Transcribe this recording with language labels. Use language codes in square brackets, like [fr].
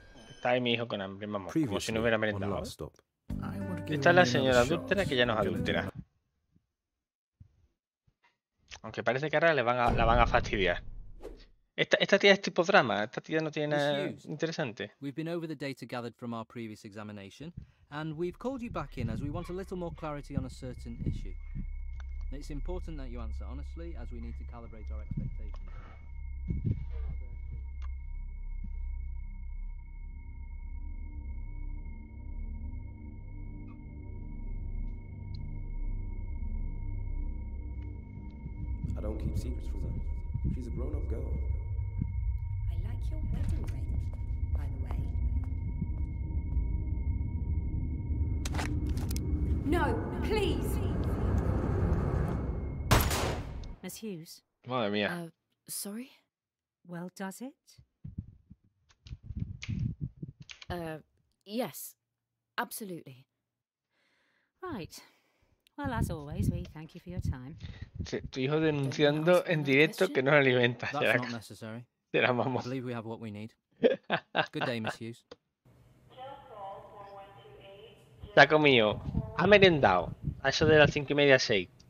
[es] Está ahí mi hijo con hambre, mamá, como si no hubiera merendado. Esta es la señora adúltera que ya no es adúltera. Aunque parece que ahora la van a fastidiar. Esta tía es tipo drama, esta tía no tiene nada interesante. [en] We've been over the data gathered from our previous examination, and we've called you back in as we want a little more clarity on a certain issue. It's important that you answer honestly, as we need to calibrate our expectations. I don't keep secrets from her. She's a grown-up girl. I like your wedding ring, by the way. No, please! Miss Hughes? Mother mia. Sorry? Well, does it? Yes. Absolutely. Right. Well, as always, we thank you for your time. [es] Tu hijo denunciando en directo que no alimenta. [en] That's not necessary. [es] De la mamá. [en] I believe we have what we need. Good day, Miss Hughes. [es] Se ha comido. Ha merendado. A eso de las 5:30 a 6.